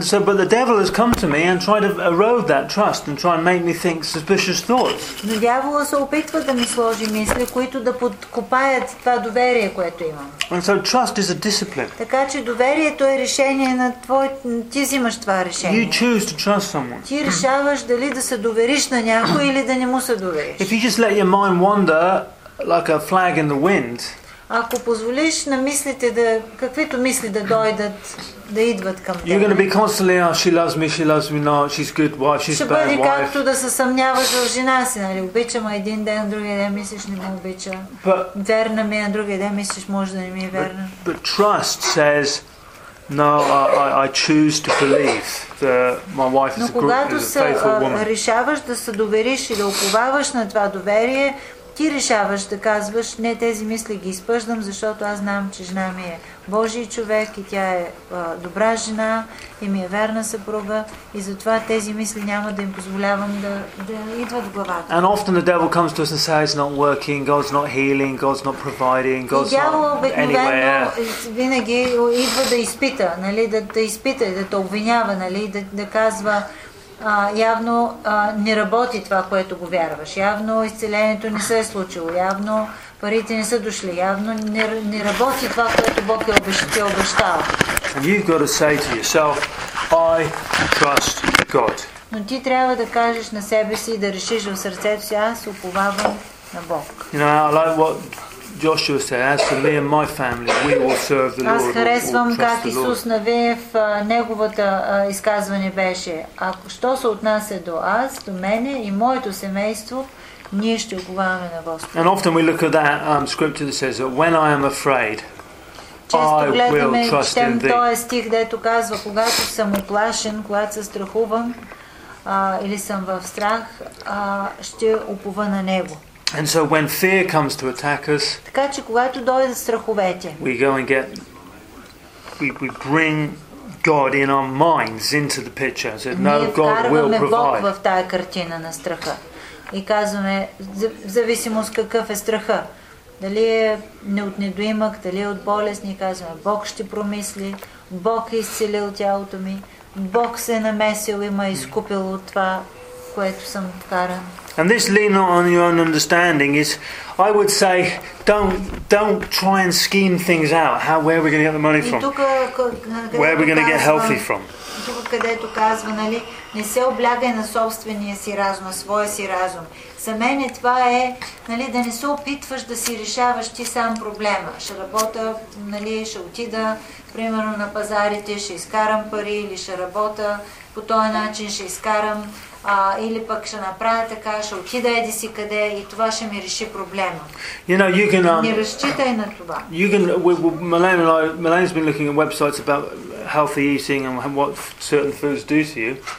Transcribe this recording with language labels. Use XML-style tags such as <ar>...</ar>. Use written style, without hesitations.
<en>But the devil has come to me and tried to erode that trust and try and make me think suspicious thoughts.</en> <bg>Но дяволът се опитва да ми сложи мисли, които да подкопаят това доверие, което имам.</bg> <en>And so trust is a discipline.</en> <bg>Така че доверието е решение на твой, ти взимаш това решение.</bg> <en>You choose to trust someone.</en> <bg>Ти решаваш дали да се довериш на някой или да не му се довериш.</bg> <en>If you just let your mind wander, like a flag in the wind.</en> <bg>Ако позволиш на мислите да каквито мисли да дойдат, да идват към теб.</bg> <en>You're going to be constantly, oh, she loves me, she loves me not, she's good wife, she's bad wife.</en> <bg>Ще бъде както да се съмняваш в жена си, нали? Обичам един ден, другия ден мислиш не ме обича. Верна ми е, другия ден мислиш може да не ми е верна.</bg> <en>But trust says, no, I choose to believe that my wife is a good, is a faithful woman.</en> <bg>Но когато се решаваш да се довериш и да уповаваш на това доверие, ти решаваш да казваш, не, тези мисли ги изпъждам, защото аз знам, че жена ми е Божий човек и тя е добра жена и ми е верна съпруга и затова тези мисли няма да им позволявам да идват в главата.</bg> <en>And often the devil comes to us and says, it's not working, God's not healing, God's not providing, God's not anywhere.</en> <bg>Винаги идва да изпита, нали, да изпита и да те обвинява, нали, да казва, явно не работи това, което го вярваш. Явно изцелението не се е случило. Явно парите не са дошли. Явно не работи това, което Бог е обещал.</bg> <en>And you've got to say to yourself, I trust God.</en> <bg>Но ти трябва да кажеш на себе си и да решиш в сърцето си, аз уповавам на Бог.</bg> <en>You know, I like what Joshua said, as for me and my family, we will serve the Lord.</en> <bg>Аз харесвам как Исус Навеев неговата изказване беше. Ако що се отнася до аз, до мене и моето семейство, ние ще уповаваме на Господа.</bg> <en>And often we look at that scripture that says that when I am afraid, I will trust in Thee.</en> <bg>Често гледаме стих, дето казва, когато съм оплашен, когато се страхувам, или съм в страх, ще уповам на Него.</bg> <en>And so when fear comes to attack us,</en> <bg>така че когато дойдат страховете,</bg> <en>we go and get, we bring God in our minds into the picture. Said, no, God will provide.</en> <bg>Бог в тая картина на страха. И казваме, в зависимост какъв е страха. Дали е от недоимък, дали е от болест, ние казваме, Бог ще промисли, Бог е изцелил тялото ми, Бог се е намесил и ме е изкупил от това, което съм вкаран.</bg> <en>And this lean not on your own understanding is, I would say, don't try and scheme things out. How, where are we going to get the money from? Where are we going to get healthy from?</en> <bg>Тук, където казва, нали, не се облягай на собствения си разум, на своя си разум. За мен това е, нали, да не се опитваш да си решаваш ти сам проблема. Ще работя, нали, ще отида, примерно, на пазарите, ще изкарам пари или ще работя. По този начин ще изкарам, или пък ще направя така, ще отида еди си къде и това ще ми реши проблема.</bg> <en>You know, you can,</en> <bg>не разчитай на това.</bg> <en>You can, Melanie's been looking at websites about healthy eating and what certain foods do to you.</en>